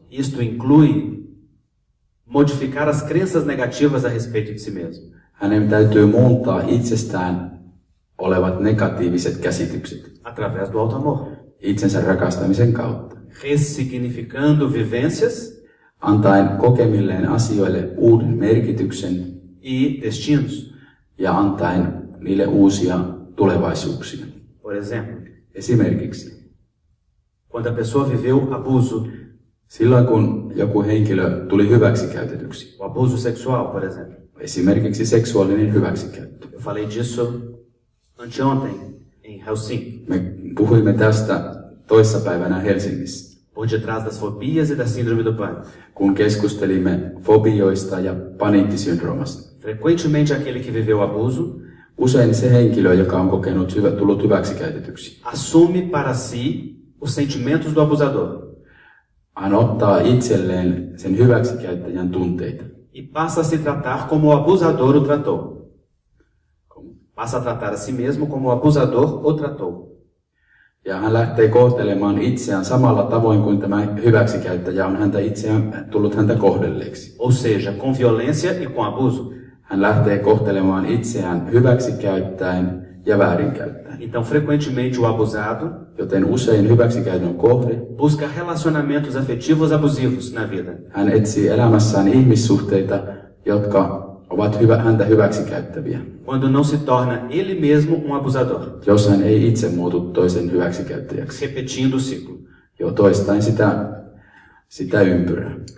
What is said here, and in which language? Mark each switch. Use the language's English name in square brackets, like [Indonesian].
[Portuguese] Isto inclui modificar as crenças negativas a respeito de si mesmo. [Finnish] Hänen täytyy muuttaa itsestään olevat negatiiviset käsitykset. [Portuguese] Através do auto-amor. [Finnish] Itsensä rakastamisen kautta. [Portuguese] Ressignificando vivências. [Finnish] Antaen kokemilleen asioille uuden merkityksen. [Portuguese] E destinos. [Finnish] Ja antaen niille uusia tulevaisuuksia. [Portuguese] Por exemplo. [Finnish] Esimerkiksi. [Portuguese] Quando a pessoa viveu abuso. [Finnish] Silloin kun joku henkilö tuli hyväksikäytetyksi. [Portuguese] O abuso sexual, por exemplo. [Finnish] Esimerkiksi seksuaalinen hyväksikäyttö. [Portuguese] Eu falei disso anteontem em Helsinki. [Finnish] Me puhuimme tästä toissapäivänä Helsingissä. [Portuguese] Por detrás das fobias e da síndrome do pânico. [Finnish] Kun keskustelimme fobioista ja paniikkisyndroomasta. [Portuguese] Frequentemente aquele que viveu abuso. [Finnish] Usein se henkilö, joka on kokenut tullut hyväksikäytetyksi. [Portuguese] Assume para si os sentimentos do abusador. [Finnish] Hän ottaa itselleen sen hyväksikäyttäjän tunteita. [Portuguese] E passa a se tratar como o abusador o tratou. Passa a tratar a si mesmo como o abusador o tratou. [Finnish] Ja hän lähtee kohtelemaan itseään samalla tavoin kuin tämä hyväksikäyttäjä on häntä itseään tullut häntä kohdelleeksi. [Portuguese] Ou seja, com violência e com abuso. [Finnish] Hän lähtee kohtelemaan itseään hyväksikäyttäen ja väärinkäyttäen. [Portuguese] Então frequentemente o abusado, [Finnish] joten usein hyväksikäytön kohde, [Portuguese] busca relacionamentos afetivos abusivos na vida. [Finnish] Hän etsii elämässään ihmissuhteita, jotka ovat häntä hyväksikäyttäviä. [Portuguese] Quando não se torna ele mesmo um abusador. [Finnish] Jos hän ei itse muutu toisen hyväksikäyttäjäksi. [Portuguese] Repetindo o ciclo. [Finnish] Jo toistaen sitä ympyrää.